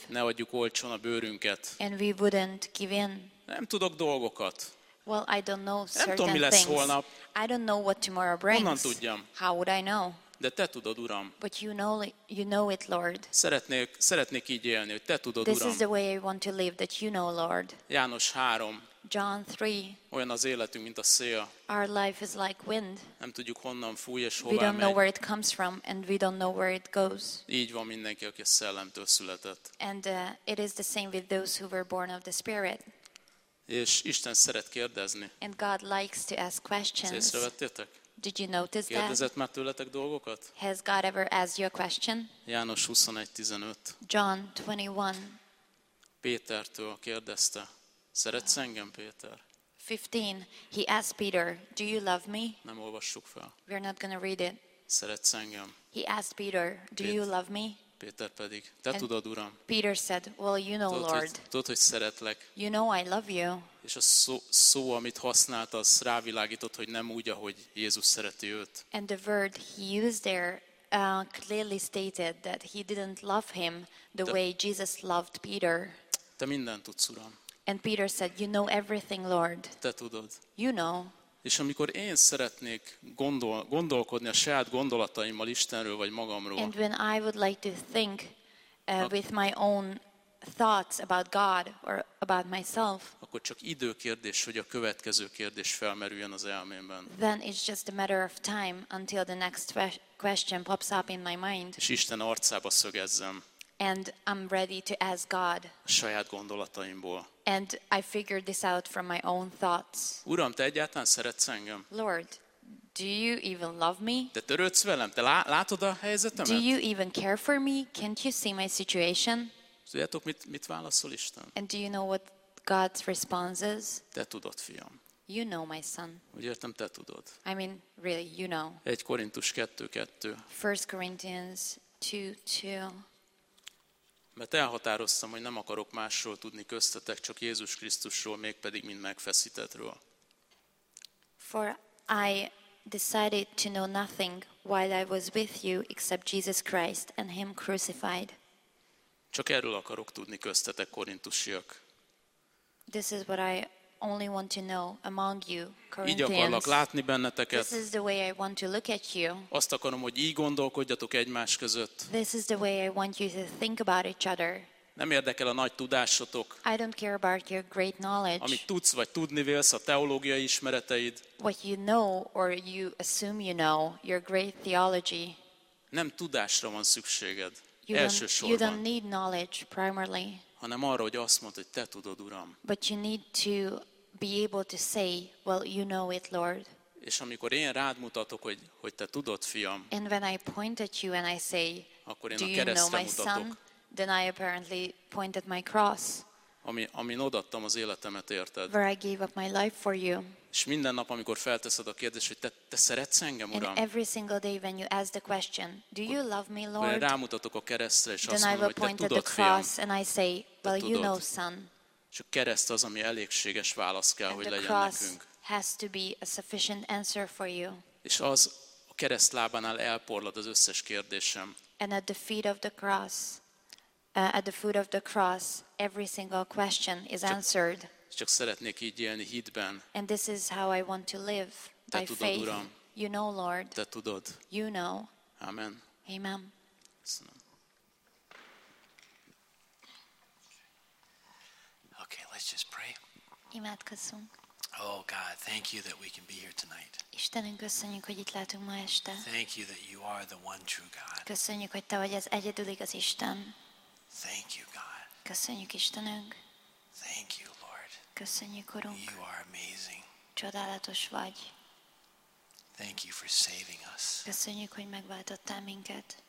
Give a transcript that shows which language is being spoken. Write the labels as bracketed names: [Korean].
[Hungarian] Ne adjuk olcsón a bőrünket. [English] And we wouldn't give in. [Hungarian] Nem tudok dolgokat. [English] Well, I don't know certain [Hungarian] nem tudom, mi lesz [English] things. [Hungarian] Holnap. [English] I don't know what tomorrow brings. [Hungarian] Honnan tudjam? [English] How would I know? [Hungarian] De te tudod, Uram. [English] But you know it, Lord. [Hungarian] Szeretnék így élni, hogy te tudod, [English] this [Hungarian] Uram. [English] This is the way I want to live, that you know, Lord. [Hungarian] János 3. [English] John 3. [Hungarian] Olyan az életünk, mint a szél. [English] Our life is like wind. [Hungarian] Nem tudjuk, honnan fúj és hová megy. [English] We don't know where it comes from, and we don't know where it goes. [Hungarian] Így van mindenki, aki a szellemtől született. [English] And it is the same with those who were born of the Spirit. [Hungarian] És Isten szeret kérdezni. [English] And God likes to ask questions. [Hungarian] Észrevettétek? [English] Did you notice that? [Hungarian] Kérdezett már tőletek dolgokat? [English] Has God ever asked you a question? [Hungarian] János 21:15. [English] John 21. [Hungarian] Pétertől kérdezte. Szeretsz engem, Péter? [English] 15. He asked Peter, do you love me? [Hungarian] Nem olvassuk fel. [English] We're not gonna read it. [Hungarian] Szeretsz engem? [English] He asked Peter, do you love me? [Hungarian] Péter pedig, te and tudod, Uram. [English] Peter said, well, you know, [Hungarian] tudod, [English] Lord. [Hungarian] Tudod, hogy szeretlek. [English] You know, I love you. [Hungarian] És a szó, amit használt, az rávilágított, hogy nem úgy, ahogy Jézus szereti őt. [English] And the word he used there clearly stated that he didn't love him the way Jesus loved Peter. [Hungarian] Te mindent tudsz, Uram. [English] And Peter said, you know everything, Lord. [Hungarian] Te tudod. [English] You know. [Hungarian] És amikor én szeretnék gondolkodni a saját gondolataimmal Istenről vagy magamról. [English] And when I would like to think with my own thoughts about God or about myself. [Hungarian] Akkor csak időkérdés, hogy a következő kérdés felmerüljön az elmémben. [English] Then it's just a matter of time until the next question pops up in my mind. [Hungarian] És Isten arcába szögezzem. [English] And I'm ready to ask God. [Hungarian] A saját gondolataimból. [English] And I figured this out from my own thoughts. [Hungarian] Uram, te egyáltalán szeretsz engem? [English] Lord, do you even love me? [Hungarian] Te törődsz velem? Te látod a helyzetemet? [English] Do you even care for me? Can't you see my situation? [Hungarian] Tudjátok, mit válaszol Isten? [English] And do you know what God's response is? [Hungarian] Te tudod, fiam. [English] You know, my son. [Hungarian] Úgy értem, te tudod. [English] I mean, really, you know. [Hungarian] 1 Korintus 2:2. [English] 1 Corinthians 2:2. [Hungarian] Mert elhatároztam, hogy nem akarok másról tudni köztetek, csak Jézus Krisztusról, mégpedig mind megfeszítettről. [English] For I decided to know nothing while I was with you except Jesus Christ and him crucified. [Hungarian] Csak erről akarok tudni köztetek, korintusiak. [English] This is what I only want to know among you, Corinthians. [Hungarian] Így akarlak látni benneteket. [English] This is the way I want to look at you. [Hungarian] Azt akarom, hogy így gondolkodjatok egymás között. [English] This is the way I want you to think about each other. [Hungarian] Nem érdekel a nagy tudásotok. [English] I don't care about your great knowledge. [Hungarian] Amit tudsz vagy tudni vélsz, a teológiai ismereteid. [English] What you know or you assume you know, your great theology. [Hungarian] Nem tudásra van szükséged. [English] You [Hungarian] elsősorban. [English] You don't need knowledge primarily. [Hungarian] Hanem arra, hogy azt mondod, hogy te tudod, Uram. [English] But you need to be able to say, well, you know it, Lord. [Hungarian] És amikor én rád mutatok, hogy te tudod, fiam. [English] And when I point at you and I say, [Hungarian] akkor én [English] do [Hungarian] a keresztre [English] you know my [Hungarian] mutatok, [English] son? Then I apparently pointed my cross. [Hungarian] Amin odaadtam az életemet, érted? [English] Where I gave up my life for you. [Hungarian] És minden nap, amikor felteszed a kérdést, hogy te szeretsz engem, Uram? [English] And every single day when you ask the question, do you love me, Lord? [Hungarian] Akkor én rámutatok a keresztre, és azt mondom, hogy te tudod, fiam. [English] The cross and I say, well, you know, son. [Hungarian] És a kereszt az, ami elégséges válasz kell, [English] and [Hungarian] hogy legyen nekünk. [English] The cross has to be a sufficient answer for you. [Hungarian] És az a kereszt lábánál elporlad az összes kérdésem. [English] And at the feet of the cross, at the foot of the cross, every single question is answered. [Hungarian] Csak szeretnék így élni hitben. [English] And this is how I want to live, [Hungarian] te [English] by [Hungarian] tudod, [English] faith. [Hungarian] Uram. [English] You know, Lord. [Hungarian] Te tudod. [English] You know. [Hungarian] Amen. [English] Amen. Okay, let's just pray. [Hungarian] Imádkozzunk. [English] Oh God, thank you that we can be here tonight. [Hungarian] Istenünk, köszönjük, hogy itt lehetünk ma este. [English] Thank you that you are the one true God. [Hungarian] Köszönjük, hogy te vagy az egyedül igaz Isten. [English] Thank you, God. [Hungarian] Köszönjük, Istenünk. [English] Thank you, Lord. [Hungarian] Köszönjük, Urunk. [English] You are amazing. [Hungarian] Csodálatos vagy. [English] Thank you for saving us. [Hungarian] Köszönjük, hogy megváltottál minket.